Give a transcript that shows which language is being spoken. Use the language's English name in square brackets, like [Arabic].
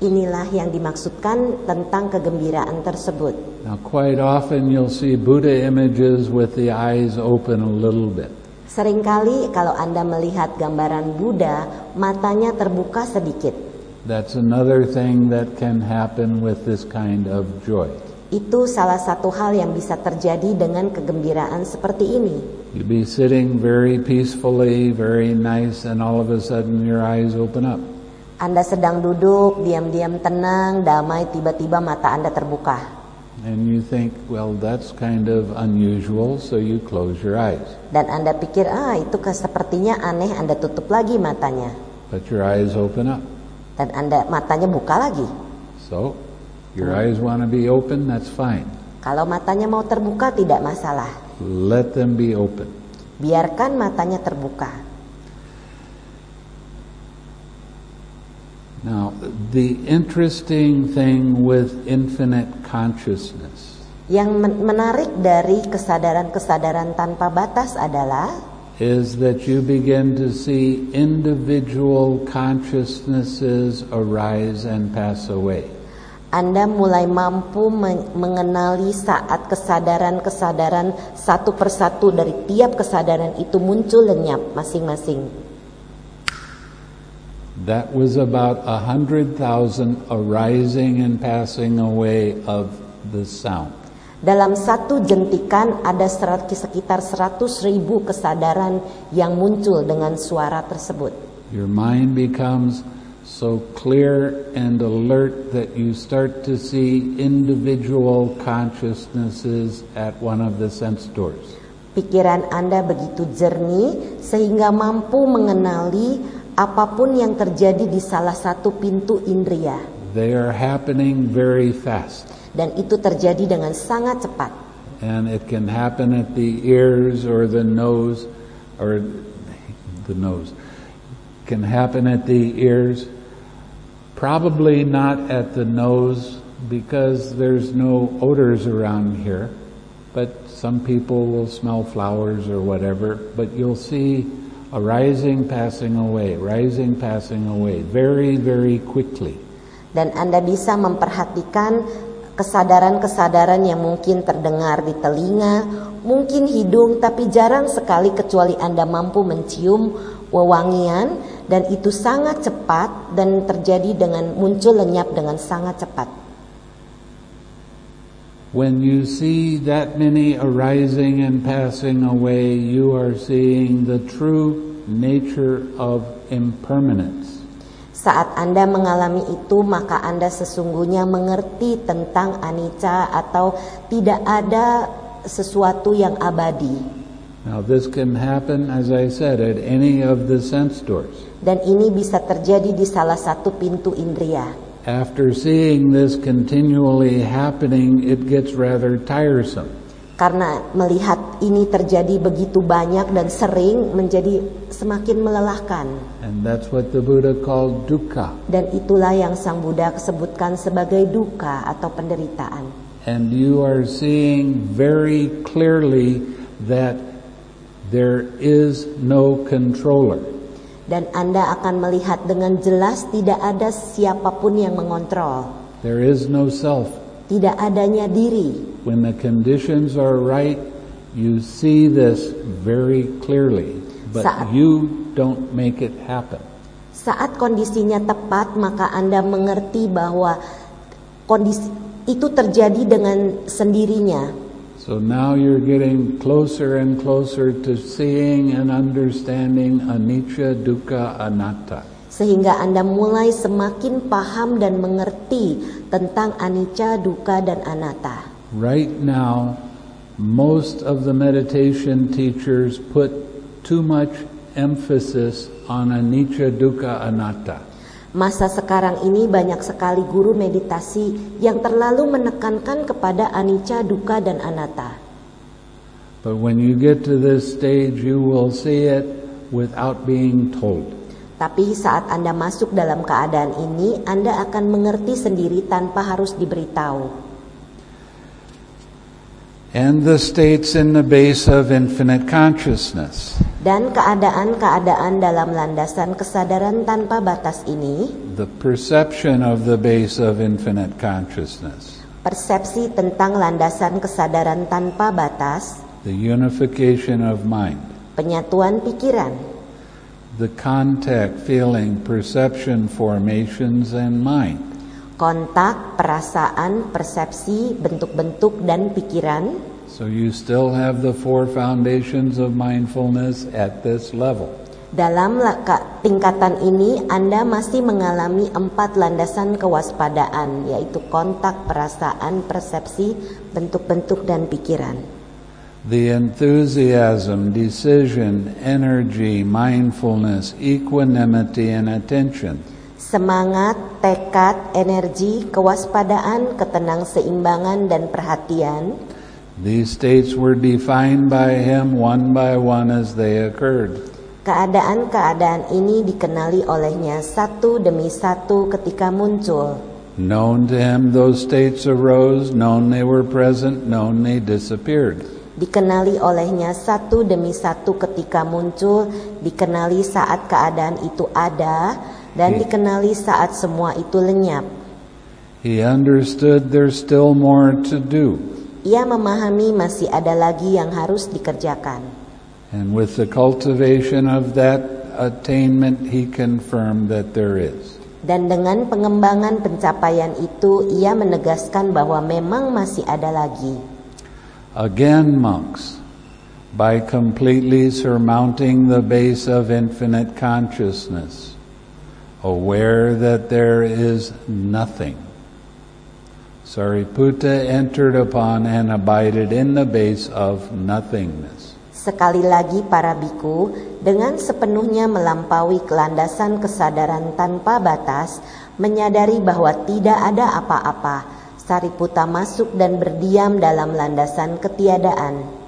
[Indonesian] Inilah yang dimaksudkan tentang kegembiraan tersebut. [English] Now, quite often you'll see Buddha images with the eyes open a little bit. [Indonesian] Seringkali kalau Anda melihat gambaran Buddha, matanya terbuka sedikit. [English] That's another thing that can happen with this kind of joy. [Indonesian] Itu salah satu hal yang bisa terjadi dengan kegembiraan seperti ini. [English] You'd be sitting very peacefully, very nice, and all of a sudden your eyes open up. [Indonesian] Anda sedang duduk, diam-diam tenang, damai, tiba-tiba mata Anda terbuka. [English] And you think, well, that's kind of unusual, so you close your eyes. [Indonesian] Dan Anda pikir, ah, itu sepertinya aneh, Anda tutup lagi matanya. [English] But your eyes open up. [Indonesian] Dan Anda matanya buka lagi. [English] So, your eyes want to be open, that's fine. [Indonesian] Kalau matanya mau terbuka, tidak masalah. [English] Let them be open. [Indonesian] Biarkan matanya terbuka. [English] Now, the interesting thing with infinite consciousness. [Indonesian] Yang menarik dari kesadaran-kesadaran tanpa batas adalah [English] is that you begin to see individual consciousnesses arise and pass away. [Indonesian] Anda mulai mampu mengenali saat kesadaran-kesadaran satu persatu dari tiap kesadaran itu muncul lenyap masing-masing. [English] That was about 100,000 arising and passing away of the sound. [Indonesian] Dalam satu jentikan ada sekitar 100,000 kesadaran yang muncul dengan suara tersebut. [English] Your mind becomes so clear and alert that you start to see individual consciousnesses at one of the sense doors. [Indonesian] Pikiran Anda begitu jernih sehingga mampu mengenali apapun yang terjadi di salah satu pintu indria. [English] They are happening very fast. [Indonesian] Dan itu terjadi dengan sangat cepat. [English] And it can happen at the ears or the nose, or the nose. Can happen at the ears. Probably not at the nose because there's no odors around here. But some people will smell flowers or whatever. But you'll see arising, passing away, rising, passing away, very, very quickly. [Indonesian] Dan Anda bisa memperhatikan kesadaran-kesadaran yang mungkin terdengar di telinga, mungkin hidung, tapi jarang sekali kecuali Anda mampu mencium wewangian, dan itu sangat cepat dan terjadi dengan muncul lenyap dengan sangat cepat. [English] When you see that many arising and passing away, you are seeing the true nature of impermanence. [Indonesian] Saat Anda mengalami itu, maka Anda sesungguhnya mengerti tentang anicca atau tidak ada sesuatu yang abadi. [English] Now this can happen, as I said, at any of the sense doors. [Indonesian] Dan ini bisa terjadi di salah satu pintu indria. [English] After seeing this continually happening, it gets rather tiresome. [Indonesian] Karena melihat ini terjadi begitu banyak dan sering menjadi semakin melelahkan. [English] And that's what the Buddha called dukkha. [Indonesian] Dan itulah yang Sang Buddha sebutkan sebagai dukkha atau penderitaan. [English] And you are seeing very clearly that there is no controller. [Indonesian] Dan Anda akan melihat dengan jelas tidak ada siapapun yang mengontrol. [English] There is no self. [Indonesian] Tidak adanya diri. [English] When the conditions are right, you see this very clearly, but you don't make it happen. [Indonesian] Saat kondisinya tepat, maka Anda mengerti bahwa kondisi itu terjadi dengan sendirinya. [English] So now you're getting closer and closer to seeing and understanding anicca, dukkha, anatta. [Indonesian] Sehingga Anda mulai semakin paham dan mengerti tentang anicca, dukkha, dan anatta. [English] Right now, most of the meditation teachers put too much emphasis on anicca, dukkha, anatta. [Indonesian] Masa sekarang ini banyak sekali guru meditasi yang terlalu menekankan kepada anicca, dukkha, dan anatta. [English] But when you get to this stage, you will see it without being told. [Indonesian] Tapi saat Anda masuk dalam keadaan ini, Anda akan mengerti sendiri tanpa harus diberitahu. [English] And the states in the base of infinite consciousness. [Indonesian] Dan keadaan-keadaan dalam landasan kesadaran tanpa batas ini. [English] The perception of the base of infinite consciousness. [Indonesian] Persepsi tentang landasan kesadaran tanpa batas. [English] The unification of mind. [Indonesian] Penyatuan pikiran. [English] The contact, feeling, perception, formations, and mind. [Indonesian] kontak, perasaan, persepsi, bentuk-bentuk dan pikiran. [English] So you still have the four foundations of mindfulness at this level. [Indonesian] Dalam tingkatan ini Anda masih mengalami empat landasan kewaspadaan, yaitu kontak, perasaan, persepsi, bentuk-bentuk dan pikiran. [English] The enthusiasm, decision, energy, mindfulness, equanimity and attention. [Indonesian] Semangat, tekad, energi, kewaspadaan, ketenang seimbangan dan perhatian. [English] These states were defined by him one by one as they occurred. [Indonesian] Keadaan-keadaan ini dikenali olehnya satu demi satu ketika muncul. [English] Known to him those states arose, known they were present, known they disappeared. [Indonesian] Dikenali olehnya satu demi satu ketika muncul, dikenali saat keadaan itu ada, dan dikenali saat semua itu lenyap. [English] He understood there's still more to do. [Indonesian] Ia memahami masih ada lagi yang harus dikerjakan. [English] And with the cultivation of that attainment, he confirmed that there is. [Indonesian] Dan dengan pengembangan pencapaian itu, ia menegaskan bahwa memang masih ada lagi. [English] Again, monks, by completely surmounting the base of infinite consciousness, aware that there is nothing, Sariputta entered upon and abided in the base of nothingness. [Indonesian] Sekali lagi para bhikkhu, dengan sepenuhnya melampaui landasan kesadaran tanpa batas, menyadari bahwa tidak ada apa-apa, Sariputta masuk dan berdiam dalam landasan ketiadaan.